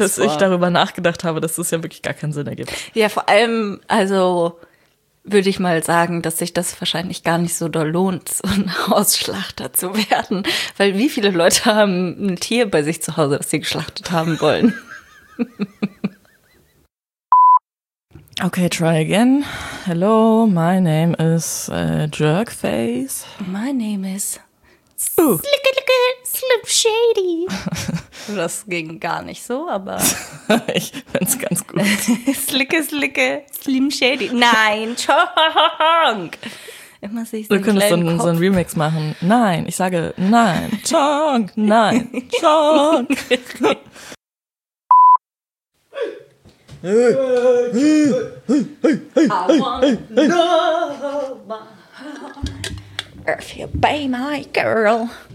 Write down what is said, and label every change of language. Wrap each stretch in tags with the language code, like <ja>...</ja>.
<de>dass vor. Dass ich darüber nachgedacht habe, dass das ja wirklich gar keinen Sinn ergibt. Ja, vor allem, also würde ich mal sagen, dass sich das wahrscheinlich gar nicht so doll lohnt, so ein Hausschlachter zu werden. Weil wie viele Leute haben ein Tier bei sich zu Hause, das sie geschlachtet haben wollen?</de> <en>Okay, try again. Hello, my name is Jerkface. My name is Slickalicka Slim Shady.</en> <de>Das ging gar nicht so, aber... Ich finde es ganz gut. Slicke, Slicke, Slim Shady. Nein, Chonk. Immer sehe ich so einen kleinen Kopf. Du könntest so einen Remix machen. Nein, ich sage nein, Chonk, nein, Chonk.</de> <en>I want to know if you'll be my girl.</en>